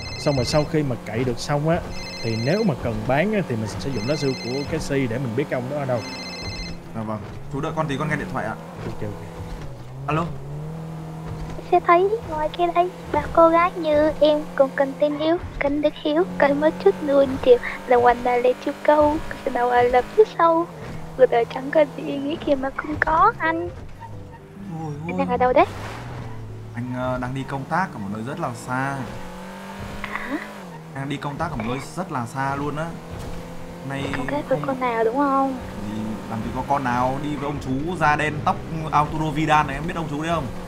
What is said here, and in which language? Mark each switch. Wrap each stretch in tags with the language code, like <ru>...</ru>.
<vi>Xong rồi sau khi mà cậy được xong á thì nếu mà cần bán á thì mình sẽ sử dụng lá thư của cái si để mình biết cái ông đó ở đâu. Vâng, chú đợi con tí con nghe điện thoại ạ. Ok. Alo. sẽ thấy ngoài kia đây ba cô gái như em cũng cần tình yêu, cần được hiểu, cần một chút nuông chiều.</vi> <en>The one that let you go, cause now I love you so.</en> <vi>Cuộc đời chẳng có gì ý nghĩa khi mà không có anh. Ôi, anh đang ở đâu đấy? Anh đang đi công tác ở một nơi rất là xa. Hả? Anh đi công tác ở một nơi rất là xa luôn á. Này... Công tác với con nào đúng không? Thì làm gì có con nào đi với ông chú da đen tóc Arturo Vidal này, em biết ông chú đấy không?</vi>